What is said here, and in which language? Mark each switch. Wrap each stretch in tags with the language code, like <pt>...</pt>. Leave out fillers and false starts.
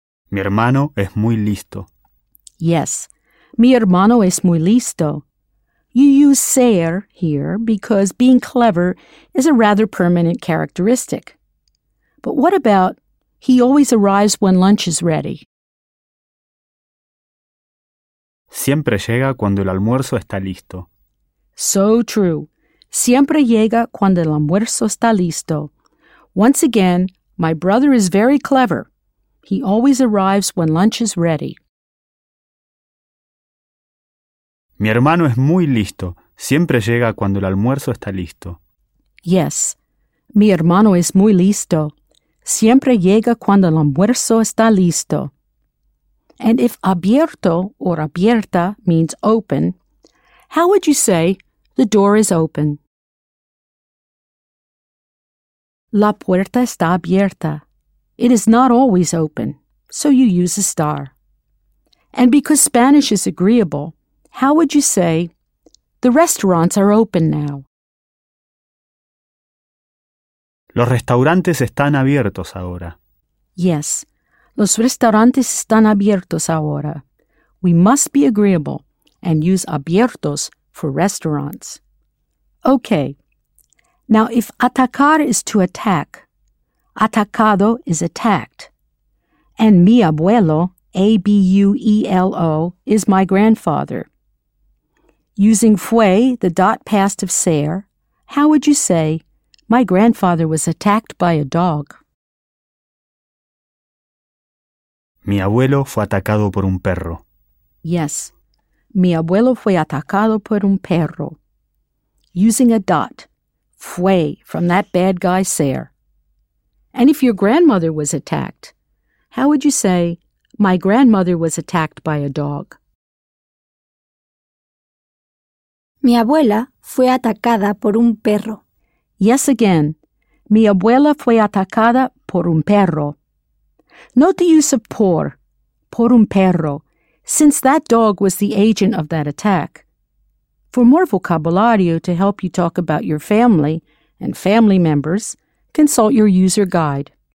<es>Mi hermano es muy listo.</es> <en>Yes.</en> <es>Mi hermano es muy listo.</es> <en>You use ser here because being clever is a rather permanent characteristic. But what about, he always arrives when lunch is ready?</en> <es>Siempre llega cuando el almuerzo está listo.</es> <en>So true.</en> <es>Siempre llega cuando el almuerzo está listo.</es> <en>Once again, my brother is very clever. He always arrives when lunch is ready.</en> <es>Mi hermano es muy listo. Siempre llega cuando el almuerzo está listo.</es> <en>Yes.</en> <es>Mi hermano es muy listo. Siempre llega cuando el almuerzo está listo.</es> <en>And if abierto or abierta means open, how would you say the door is open?</en> <es>La puerta está abierta.</es> <en>It is not always open, so you use estar. And because Spanish is agreeable, how would you say, the restaurants are open now?</en> <es>Los restaurantes están abiertos ahora.</es> <en>Yes,</en> <es>los restaurantes están abiertos ahora.</es> <en>We must be agreeable and use abiertos for restaurants. Okay, now if atacar is to attack, atacado is attacked. And mi abuelo, A-B-U-E-L-O, is my grandfather. Using fue, the dot past of ser, how would you say, my grandfather was attacked by a dog?</en> <es>Mi abuelo fue atacado por un perro.</es> <en>Yes,</en> <es>mi abuelo fue atacado por un perro.</es> <en>Using a dot, fue, from that bad guy ser. And if your grandmother was attacked, how would you say, my grandmother was attacked by a dog?</en> <es>Mi abuela fue atacada por un perro.</es> <en>Yes, again.</en> <es>Mi abuela fue atacada por un perro.</es> <en>Note the use of</en> <es>por un perro,</es> <en>since that dog was the agent of that attack. For more vocabulary to help you talk about your family and family members, consult your user guide.</en>